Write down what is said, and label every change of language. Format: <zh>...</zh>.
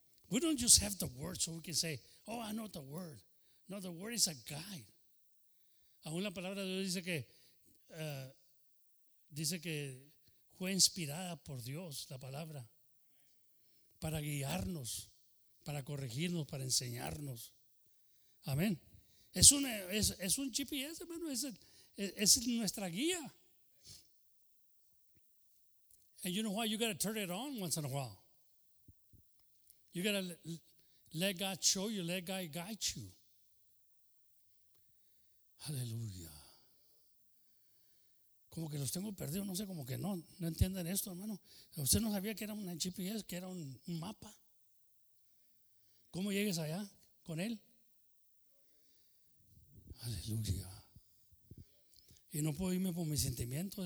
<en>We don't just have the word so we can say, oh, I know the word. No, the word is a guide.</en> <es>Aún la palabra de Dios dice que fue inspirada por Dios, la palabra, para guiarnos, para corregirnos, para enseñarnos. Amén. Es un GPS, hermano, es nuestra guía.</es> <en>And you know why? You got to turn it on once in a while. You got to let God show you, let God guide you.</en> <es>Aleluya. Como que los tengo perdidos, no sé, como que no entienden esto, hermano. Usted no sabía que era una GPS, que era un mapa. ¿Cómo llegues allá con él? Aleluya. Y no puedo irme por mis sentimientos.</es>